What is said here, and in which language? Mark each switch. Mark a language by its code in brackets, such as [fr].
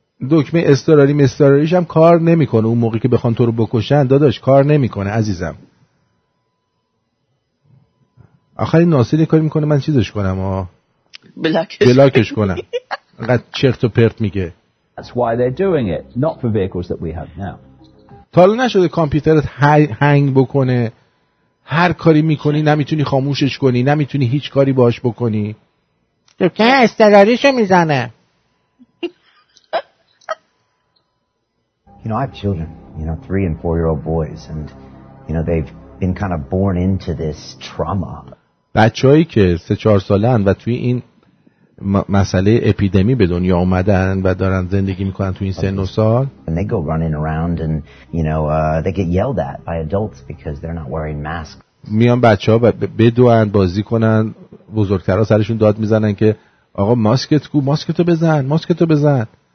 [fa] دکمه استراری مستراریش هم کار نمیکنه، اون موقعی که بخوان تو رو بکشن داداش کار نمیکنه عزیزم. آخرین ناصر یه کاری میکنه من چیزش کنم بلاکش کنم، قد چرت و پرت میگه. [en] That's why they're doing it, not for vehicles that we have now. [fa] حالا نشده کامپیوترت هنگ بکنه، هر کاری میکنی نمیتونی خاموشش کنی، نمیتونی هیچ کاری باش بکنی. تو که استراریشو میزنه. [en] You know, I have children, you know, 3 and 4 year old boys, and you know, they've been kind of born into this trauma. [fa] بچه‌هایی که 3-4 سالن و توی این مسئله اپیدمی به دنیا اومدن و دارن زندگی میکنن تو این سن و سال. [en] And they go running around and you know they get yelled at by adults because they're not wearing masks. [fa] میان بچه‌ها و بدوئن بازی کنن، بزرگترها سرشون داد میزنن که آقا ماسکت کو، ماسکتو بزن، ماسکتو بزن.